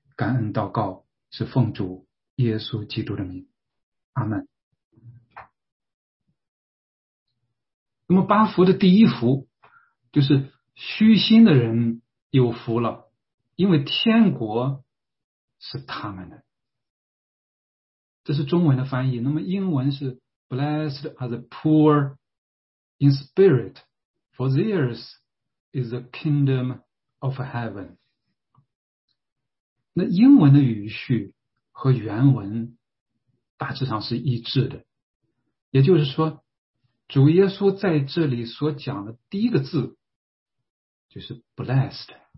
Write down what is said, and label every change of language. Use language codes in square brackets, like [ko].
[zh] 感恩祷告是奉主耶稣基督的名，阿门。那么八福的第一福就是虚心的人有福了，因为天国是他们的。这是中文的翻译，那么英文是 [en] Blessed are the poor in spirit, for theirs is the kingdom of heaven. [zh] 那英文的语序和原文大致上是一致的，也就是说主耶稣在这里所讲的第一个字就是 blessed。